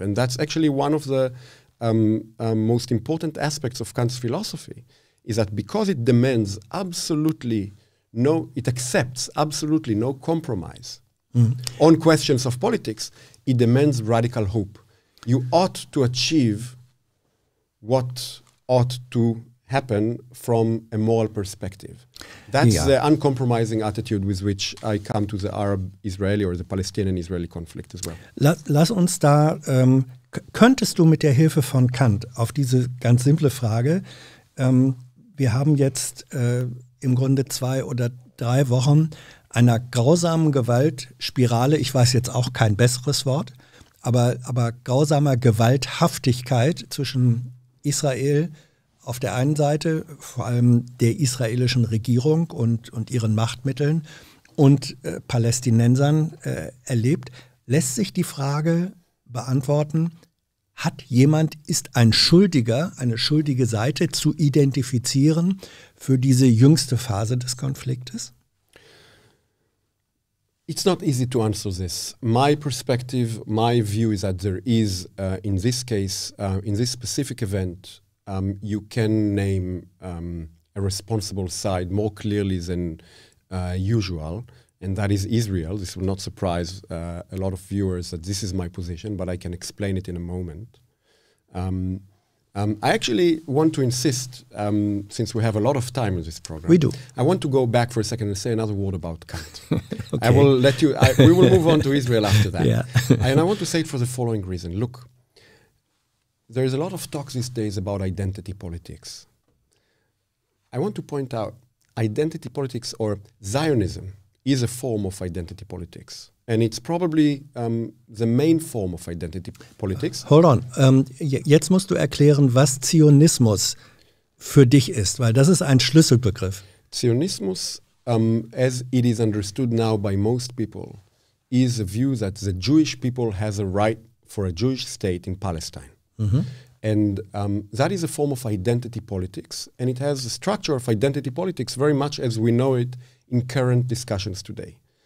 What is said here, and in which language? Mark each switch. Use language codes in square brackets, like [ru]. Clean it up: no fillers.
[en] And that's actually one of the most important aspects of Kant's philosophy, is that because it demands absolutely no, it accepts absolutely no compromise on questions of politics, it demands radical hope. You ought to achieve what ought to happen from a moral perspective. That's the uncompromising attitude with which I come to the Arab-Israeli or the Palestinian-Israeli conflict as well. [de] Lass uns da, könntest du mit der Hilfe von Kant auf diese ganz simple Frage, wir haben jetzt im Grunde zwei oder drei Wochen einer grausamen Gewaltspirale, ich weiß jetzt auch kein besseres Wort, aber grausamer Gewalthaftigkeit zwischen Israel auf der einen Seite, vor allem der israelischen Regierung und ihren Machtmitteln und Palästinensern erlebt, lässt sich die Frage beantworten, hat jemand, ist ein Schuldiger, eine schuldige Seite zu identifizieren für diese jüngste Phase des Konfliktes? [en] It's not easy to answer this. My perspective, my view is that there is, in this case, in this specific event, you can name a responsible side more clearly than usual, and that is Israel. This will not surprise a lot of viewers that this is my position, but I can explain it in a moment. I actually want to insist, since we have a lot of time in this program. We do. I want to go back for a second and say another word about Kant. Okay. I will let you, we will move on to Israel after that. Yeah. And I want to say it for the following reason. Look, there is a lot of talk these days about identity politics. I want to point out identity politics or Zionism is a form of identity politics. And it's probably the main form of identity politics. Hold on. [de] Jetzt musst du erklären, was Zionismus für dich ist, weil das ist ein Schlüsselbegriff. [en] Zionismus, as it is understood now by most people, is a view that the Jewish people has a right for a Jewish state in Palestine. Mm-hmm. And that is a form of identity politics. And it has a structure of identity politics very much as we know it in current discussions today.